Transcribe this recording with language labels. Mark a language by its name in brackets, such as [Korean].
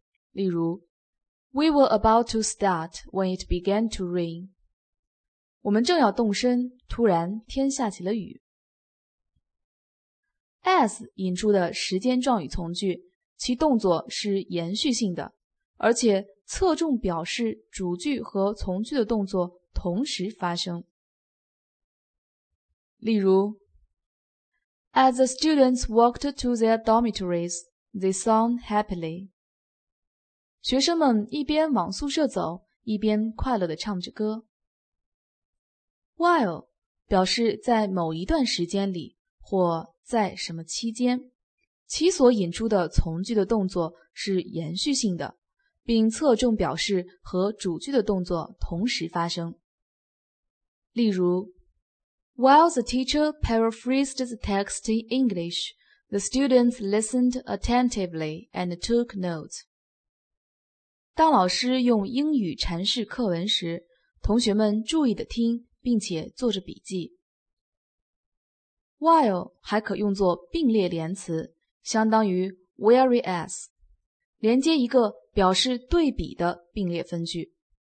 [English] 例如 We were about to start when it began to rain. [Chinese] 我们正要动身，突然天下起了雨。 As 引出的时间状语从句，其动作是延续性的，而且侧重表示主句和从句的动作同时发生。 [English] 例如 As the students walked to their dormitories, they sang happily. [Chinese] 学生们一边往宿舍走，一边快乐地唱着歌。 While 表示在某一段时间里或在什么期间，其所引出的从句的动作是延续性的，并侧重表示和主句的动作同时发生。 [English] 例如 While the teacher paraphrased the text in English, the students listened attentively and took notes. [Chinese] 当老师用英语阐释课文时，同学们注意地听并且做着笔记。 While 还可用作并列连词，相当于 whereas, 连接一个表示对比的并列分句。